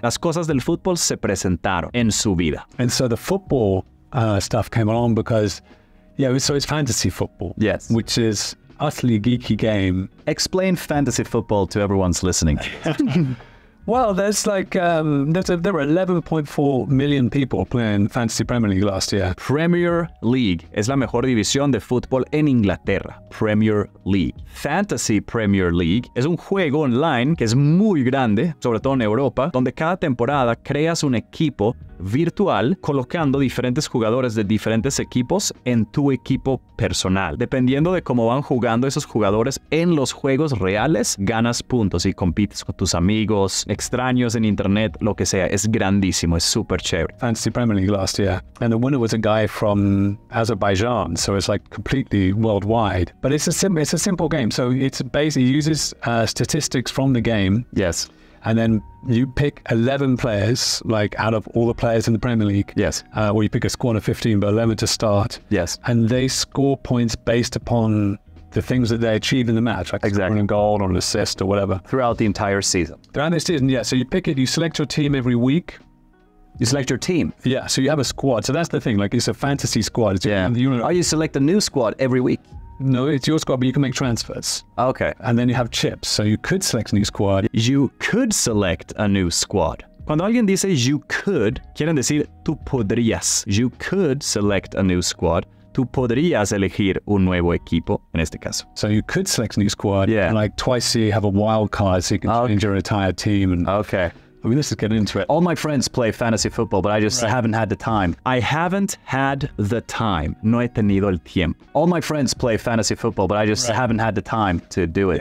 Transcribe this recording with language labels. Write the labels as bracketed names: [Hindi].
[Spanish] Las cosas del fútbol se presentaron en su vida. [English] And so the football stuff came along because... Yeah, so it's fantasy football. Yes. Which is... utterly geeky game. Explain fantasy football to everyone's listening. Well, there's like there were 11.4 million people playing fantasy Premier League last year. [Spanish] Premier League es la mejor división de fútbol en Inglaterra. Premier League. Fantasy Premier League es un juego online que es muy grande, sobre todo en Europa, donde cada temporada creas un equipo virtual colocando diferentes jugadores de diferentes equipos en tu equipo personal. Dependiendo de cómo van jugando esos jugadores en los juegos reales, ganas puntos y compites con tus amigos, extraños en internet, lo que sea. Es grandísimo, es súper chévere. [English] Fantasy Premier League last year. And the winner was a guy from Azerbaijan, so it's like completely worldwide. But it's a simple game. So it's basically uses statistics from the game. Yes. And then you pick 11 players, like out of all the players in the Premier League. Yes. Or you pick a squad of 15, but 11 to start. Yes. And they score points based upon the things that they achieve in the match. Like exactly. Scoring a goal or an assist or whatever. Throughout the entire season. Throughout the season, yeah. So you pick it, you select your team every week. You select your team? Yeah. So you have a squad. So that's the thing. Like, it's a fantasy squad. You select a new squad every week? No, it's your squad, but you can make transfers. Okay. And then you have chips, so you could select a new squad. You could select a new squad. [Spanish] Cuando alguien dice you could, quieren decir tú podrías. [English] You could select a new squad. [Spanish] Tú podrías elegir un nuevo equipo, en este caso. [English] So you could select a new squad. Yeah. And like twice a year, you have a wild card, so you can change your entire team. And okay. I mean, let's just get into it. All my friends play fantasy football, but I just haven't had the time. I haven't had the time. [Spanish] No he tenido el tiempo. [English] All my friends play fantasy football, but I just haven't had the time to do it.